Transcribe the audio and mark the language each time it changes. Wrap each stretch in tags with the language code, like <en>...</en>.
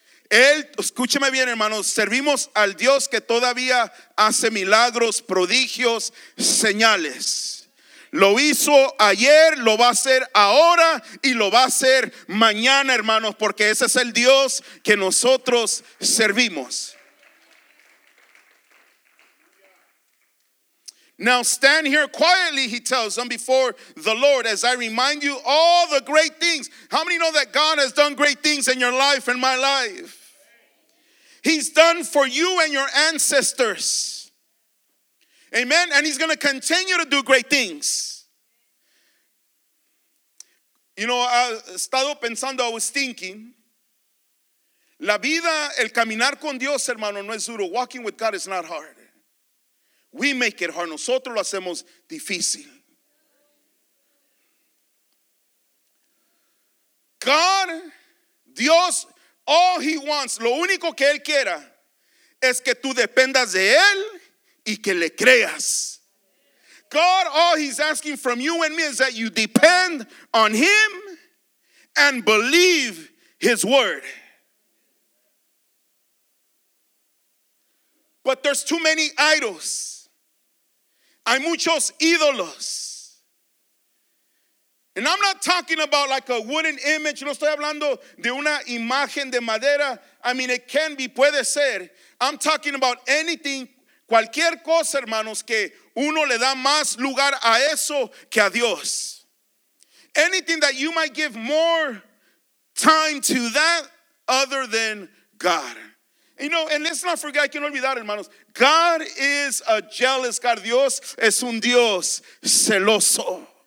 <es>Él, escúcheme bien, hermanos, servimos al Dios que todavía hace milagros, prodigios, señales. Lo hizo ayer, lo va a hacer ahora y lo va a hacer mañana, hermanos, porque ese es el Dios que nosotros servimos.</es> <en>Now stand here quietly, he tells them, before the Lord, as I remind you all the great things. How many know that God has done great things in your life and my life? He's done for you and your ancestors. Amen. And he's going to continue to do great things. You know, I was thinking.</en> <es>La vida, el caminar con Dios, hermano, no es duro.</es> <en>Walking with God is not hard. We make it hard.</en> <es>Nosotros lo hacemos difícil. God, Dios,</es> <en>all he wants,</en> <es>lo único que él quiera, es que tú dependas de él y que le creas.</es> <en>God, all he's asking from you and me is that you depend on him and believe his word. But there's too many idols.</en> <es>Hay muchos ídolos.</es> <en>And I'm not talking about like a wooden image.</en> <es>No estoy hablando de una imagen de madera.</es> <en>I mean, it can be,</en> <es>puede ser.</es> <en>I'm talking about anything,</en> <es>cualquier cosa, hermanos, que uno le da más lugar a eso que a Dios.</es> <en>Anything that you might give more time to that other than God. You know, and let's not forget,</en> <es>hay que no olvidar,</es> <en>hermanos. God is a jealous God.</en> <es>Dios es un Dios celoso.</es>